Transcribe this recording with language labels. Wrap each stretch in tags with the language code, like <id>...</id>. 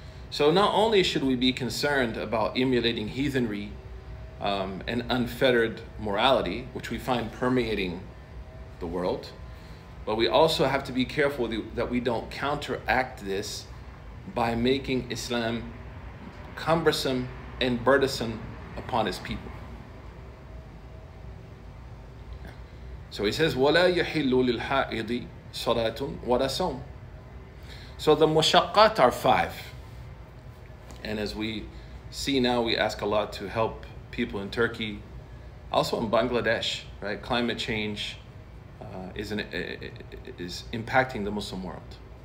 <en>So not only should we be concerned about emulating heathenry, and unfettered morality, which we find permeating the world, but we also have to be careful that we don't counteract this by making Islam cumbersome and burdensome upon his people. So he says,</en> <ar>وَلَا يَحِلُّ لِلْحَائِضِ صَلَاتٌ وَلَا صَوْمٌ.</ar> <en>So the mushaqqat are five. And as we see now, we ask Allah to help people in Turkey, also in Bangladesh, right? Climate change is impacting the Muslim world.</en>